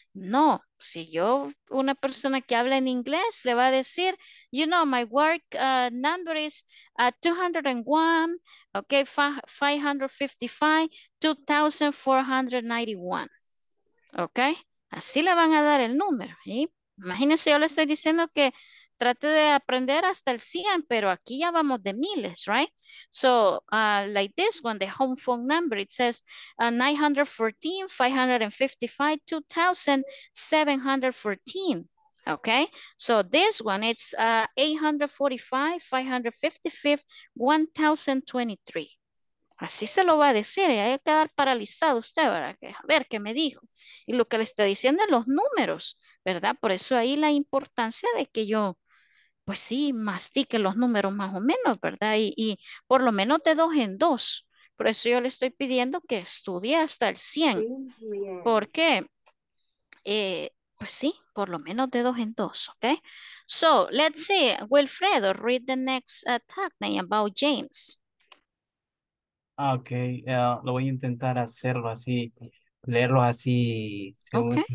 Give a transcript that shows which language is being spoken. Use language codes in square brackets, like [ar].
[es] No, si yo, una persona que habla en inglés, le va a decir, [en] you know, my work number is [es] 201, okay, 555, 2491, okay, así le van a dar el número, ¿sí? Imagínense, yo le estoy diciendo que trate de aprender hasta el 100, pero aquí ya vamos de miles, right? [en] So, like this one, the home phone number, it says 914-555-2714, okay? So, this one, it's 845-555-1023. [es] Así se lo va a decir, y hay que quedar paralizado usted, ¿verdad? A ver qué me dijo. Y lo que le está diciendo es los números, ¿verdad? Por eso ahí la importancia de que yo, pues sí, mastique los números más o menos, ¿verdad? Y por lo menos de dos en dos. Por eso yo le estoy pidiendo que estudie hasta el 100. Porque, pues sí, por lo menos de dos en dos, ¿ok? [en] So, let's see, Wilfredo, read the next tag name about James. [es] Ok, lo voy a intentar hacerlo así, leerlo así, según okay.